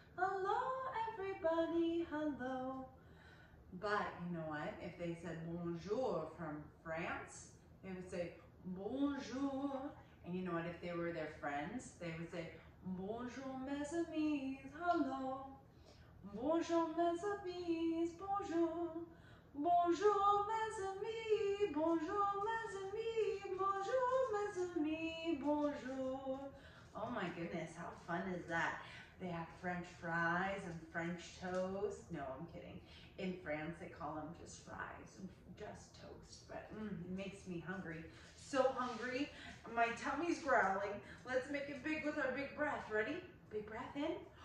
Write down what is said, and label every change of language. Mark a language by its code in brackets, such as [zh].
[en] Hello everybody, hello. But you know what? If they said bonjour from France, They would say bonjour, and you know what? If they were their friends, they would say [fr] bonjour mes amis, [en] hello. [fr] Bonjour mes amis, bonjour. Bonjour mes amis, bonjour mes amis, bonjour mes amis, bonjour. [en] Oh my goodness, how fun is that? They have French fries and French toast. No, I'm kidding. In France, they call them just fries and just toast, but it makes me hungry. So hungry, my tummy's growling. Let's make it big with our big breath. Ready? Big breath in.